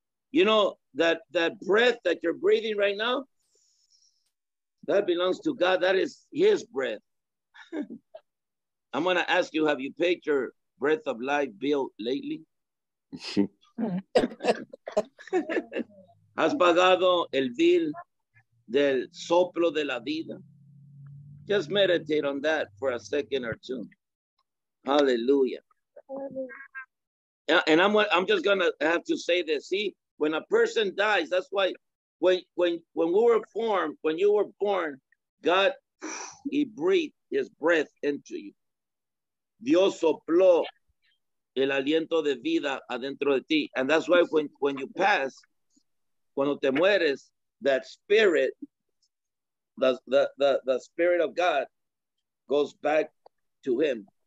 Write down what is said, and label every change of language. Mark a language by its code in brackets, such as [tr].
[en] You know, that breath that you're breathing right now, that belongs to God. That is his breath. I'm going to ask you, have you paid your breath of life bill lately? [es] ¿Has pagado el bill del soplo de la vida? [en] Just meditate on that for a second or two. Hallelujah. And I'm just going to have to say this. See, when a person dies, that's why when we were formed, when you were born, God, he breathed his breath into you. [es] Dios sopló el aliento de vida adentro de ti. [en] And that's why when you pass, [es] cuando te mueres, [en] that spirit, the spirit of God goes back to him.